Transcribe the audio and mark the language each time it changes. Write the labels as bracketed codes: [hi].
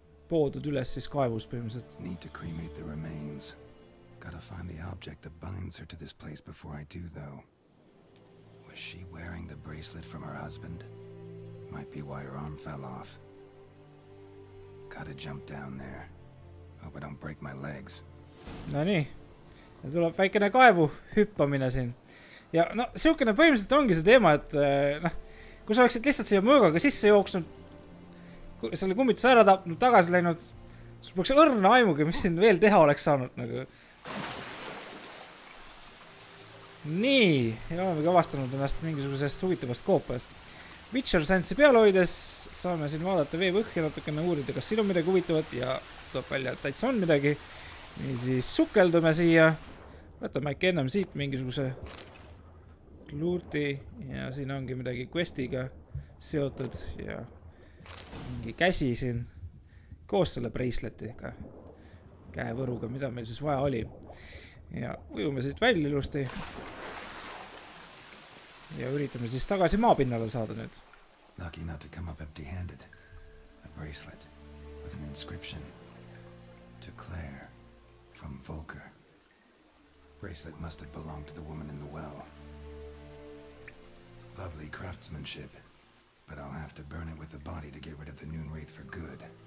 [et] Poodud üles siis kaevus põhimõtteliselt. [en] Need to cremate the remains. Gotta find the object that binds her to this place before I do though. Was she wearing the bracelet from her husband? Might be why her arm fell off. Gotta jump down there. Hope I don't break my legs. [et] No nii. Ja tuleb väikene kaevu hüppamine siin. Ja no, siukene põhimõtteliselt ongi see teema, et kui sa oleksid lihtsalt siia mõõgaga sisse jooksnud, selle kummitus ära tapnud, tagasi läinud, sul peaks õrna aimugi, mis siin veel teha oleks saanud. Nagu. Nii, ja olemegi avastanud ennast mingisugusest huvitavast koopajast. Witcher Sense'i peal hoides saame siin vaadata vee põhja natukene uurida, kas siin on midagi huvitavat ja tuleb välja, et täitsa on midagi. Nii siis sukeldume siia, võtame äkki ennem siit mingisuguse luurti ja siin ongi midagi questiga seotud ja mingi käsi siin koos selle bracelet'iga, käevõruga, mida meil siis vaja oli. Ja ujume siit välja ilusti. Ja üritame siis tagasi maapinnale saada nüüd. [en] Lucky not to come up empty-handed. A bracelet with an inscription to Claire from Volker. Bracelet must have belonged to the woman in the well. Lovely craftsmanship, but I'll have to burn it with the body to get rid of the noon wraith for good.